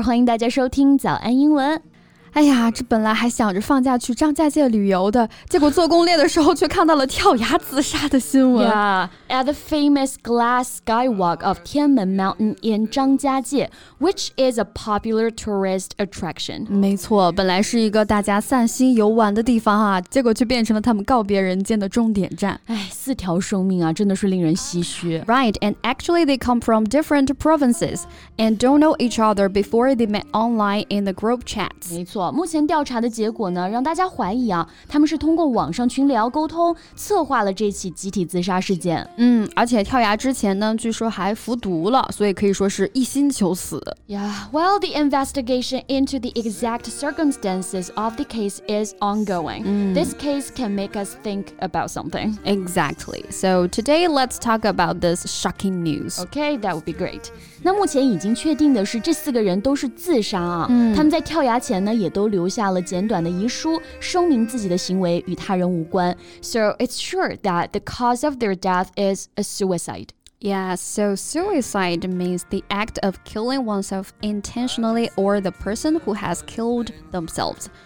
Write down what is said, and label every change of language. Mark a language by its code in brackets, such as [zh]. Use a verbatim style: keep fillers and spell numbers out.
[zh] 欢迎大家收听早安英文。哎呀，这本来还想着放假去张家界旅游的，结果做攻略的时候却看到了跳崖自杀的新闻。 [en] Yeah, at the famous glass skywalk of Tianmen Mountain in 张家界, which is a popular tourist attraction. [zh] 没错，本来是一个大家散心游玩的地方啊，结果却变成了他们告别人间的终点站。哎，四条生命啊，真的是令人唏嘘。 [en] Right, and actually they come from different provinces and don't know each other before they met online in the group chats. [zh] 没错。目前调查的结果呢，让大家怀疑啊，他们是通过网上群聊沟通，策划了这起集体自杀事件。嗯，而且跳崖之前呢，据说还服毒了，所以可以说是一心求死。 [en] Yeah, well, the investigation into the exact circumstances of the case is ongoing. Mm. This case can make us think about something. Exactly. So today, let's talk about this shocking news. Okay, that would be great. [zh] 那目前已经确定的是，这四个人都是自杀啊。嗯，他们在跳崖前呢，也都留下了简短的遗书，声明自己的行为与他人无关。 [en] So it's sure that the cause of their death is a suicide. Yeah, so suicide means the act of killing oneself intentionally or the person who has killed themselves.